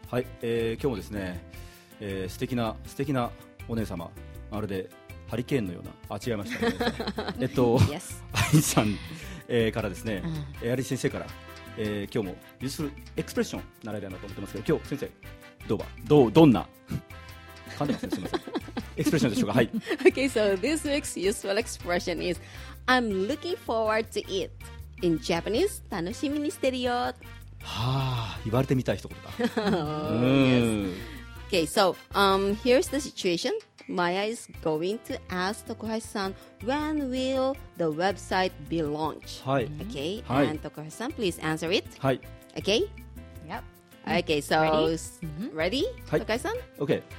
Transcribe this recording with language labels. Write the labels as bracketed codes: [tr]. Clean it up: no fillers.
[ja] はい、今日もですね、素敵な素敵なお姉様、まるでハリケーンのような、あ、違いましたね。愛美さん、からですね、愛美先生から、今日もユースフルエクスプレッション習いたいなと思ってますけど、今日先生どうは、どんな噛んでますね、すみません。エクスプレッションでしょうか。はい。 [en] Okay, so this week's useful expression is I'm looking forward to it. In Japanese, [ja] 楽しみにしてるよ。はあ、言われてみたい一言だ。 [en] Oh, yes. Okay, so here's the situation. Maya is going to ask Tokuhashi-san, when will the website be launched? [ja] はい。 [en] Okay, [ja] はい。 [en] And Tokuhashi-san, please answer it. [ja] はい。 [en] Okay? Yep. Okay, so ready? [ja] はい。 [en] Tokuhashi-san? Okay.